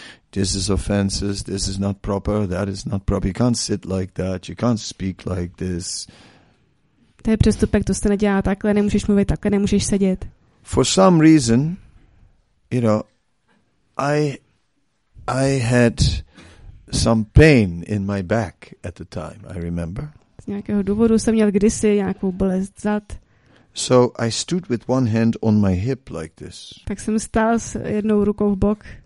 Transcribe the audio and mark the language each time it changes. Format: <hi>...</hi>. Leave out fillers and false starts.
<en>This is offenses, this is not proper, that is not proper. You can't sit like that, you can't speak like this.</en> <cs>To je přestupek, to se nedělá takhle, nemůžeš mluvit takhle, nemůžeš sedět.</cs> <en>For some reason, you know, I had some pain in my back at the time, I remember.</en> <cs>Z nějakého důvodu jsem měl kdysi nějakou bolest zad.</cs> <en>So I stood with one hand on my hip like this.</en> <cs>Tak jsem stál s jednou rukou v bok.</cs>